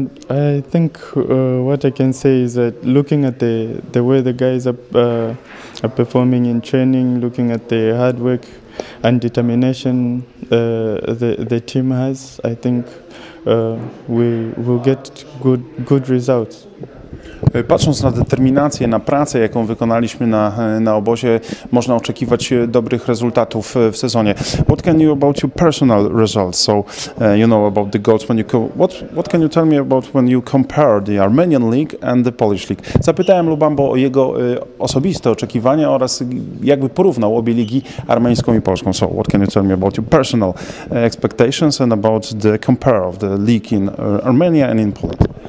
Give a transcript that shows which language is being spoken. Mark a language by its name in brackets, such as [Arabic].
[English] I think what I can say is that looking at the way the guys are performing in training, looking at the hard work and determination the team has, I think we will get good results. [Polish] Patrząc na determinację, na pracę, jaką wykonaliśmy na obozie, można oczekiwać dobrych rezultatów w sezonie. [English] What can you about your personal results? So you know about the goals. What can you tell me about when you compare the Armenian League and the Polish League? [Polish] Zapytałem Lubambo o jego osobiste oczekiwania oraz jakby porównał obie ligi, armeńską i polską. [English] So what can you tell me about your personal expectations and about the compare of the league in Armenia and in Poland?